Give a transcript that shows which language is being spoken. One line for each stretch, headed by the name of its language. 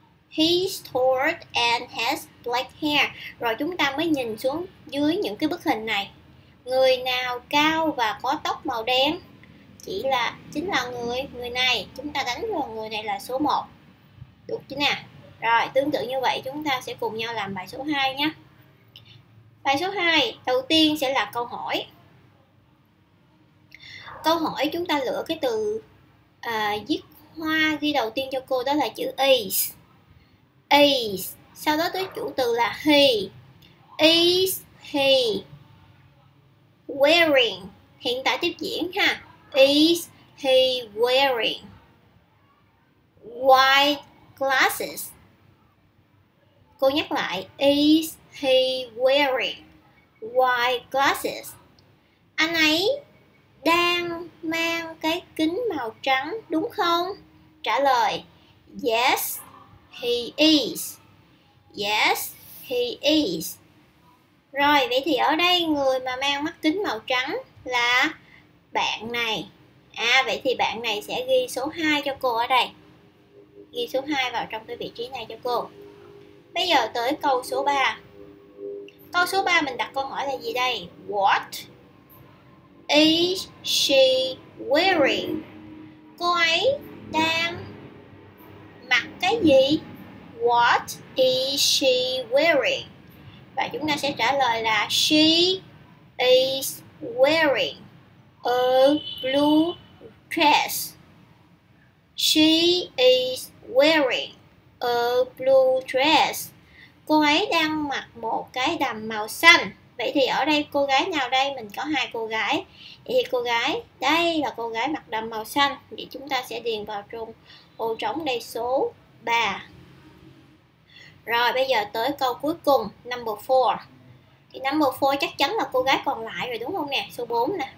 English: He's tall and has black hair.
Vietnamese: Rồi chúng ta mới nhìn xuống dưới những cái bức hình này. Người nào cao và có tóc màu đen? Chính là người này. Chúng ta đánh vào người này là số 1. Được chứ nè. Rồi tương tự như vậy chúng ta sẽ cùng nhau làm bài số 2 nhé. Bài số 2, đầu tiên sẽ là câu hỏi. Câu hỏi chúng ta lựa cái từ viết hoa ghi đầu tiên cho cô đó là chữ is. Is, sau đó tới chủ từ là he.
English: Is he wearing?
Vietnamese: Hiện tại tiếp diễn ha.
English: Is he wearing white glasses?
Vietnamese: Cô nhắc lại,
English: is he wearing white glasses?
Vietnamese: Anh ấy đang mang cái kính màu trắng đúng không? Trả lời,
English: yes he is. Yes he is.
Vietnamese: Rồi, vậy thì ở đây người mà mang mắt kính màu trắng là bạn này. À, vậy thì bạn này sẽ ghi số 2 cho cô ở đây. Ghi số 2 vào trong cái vị trí này cho cô. Bây giờ tới câu số 3. Câu số 3 mình đặt câu hỏi là gì đây?
English: What is she wearing?
Vietnamese: Cô ấy đang mặc cái gì?
English: What is she wearing?
Vietnamese: Và chúng ta sẽ trả lời là
English: she is wearing a blue dress. She is wearing a blue dress.
Vietnamese: Cô ấy đang mặc một cái đầm màu xanh. Vậy thì ở đây cô gái nào đây? Mình có hai cô gái. Vậy thì cô gái đây là cô gái mặc đầm màu xanh. Vậy chúng ta sẽ điền vào trong ô trống đây số 3. Rồi bây giờ tới câu cuối cùng, number 4. Thì number 4 chắc chắn là cô gái còn lại rồi đúng không nè? Số 4 nè.